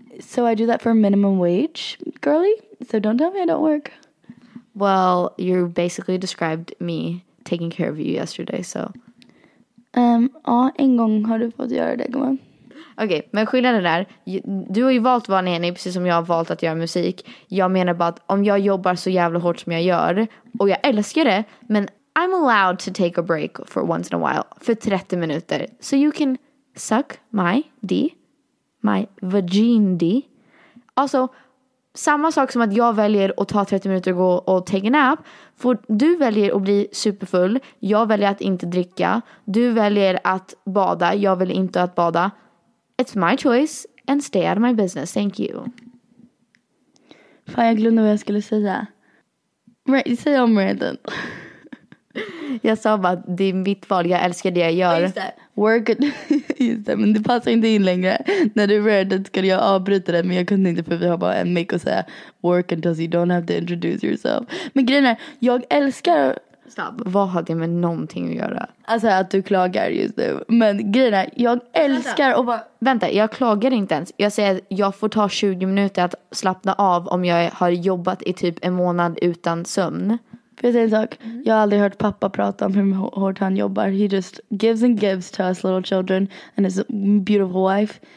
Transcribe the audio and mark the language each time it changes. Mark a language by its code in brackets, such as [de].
[en] So I do that for minimum wage, girly. So don't tell me I don't work. Well, you basically described me taking care of you yesterday, so. [sv] En gång har du fått göra det, gumman. Okej, okay, men skillnaden är, du har ju valt att vara nanny precis som jag har valt att göra musik. Jag menar bara att om jag jobbar så jävla hårt som jag gör, och jag älskar det, men [en] I'm allowed to take a break for once in a while, [sv] för 30 minuter. [en] So you can suck my D, my vagine D. [sv] Alltså, samma sak som att jag väljer att ta 30 minuter och gå och [en] take a nap, [sv] för du väljer att bli superfull, jag väljer att inte dricka, du väljer att bada, jag vill inte att bada. [en] It's my choice and stay out of my business. Thank you. [sv] Fan, jag glömde vad jag skulle säga. Right, säg om redan. Jag sa bara att det är mitt val. Jag älskar det jag gör. Just det, men det passar inte in längre. När du redan skulle jag avbryta det. Men jag kunde inte, för vi har bara en mic och säga [en] work until you don't have to introduce yourself. [sv] Men grejen är, jag älskar Stopp. Vad har det med någonting att göra? Alltså att du klagar just nu. Men grejen är, jag älskar vänta. Och bara... Vänta, jag klagar inte ens. Jag säger att jag får ta 20 minuter att slappna av om jag har jobbat i typ en månad utan sömn. För jag säger en sak. Mm. Jag har aldrig hört pappa prata om hur hårt han jobbar. [en] He just gives and gives to us little children and his beautiful wife.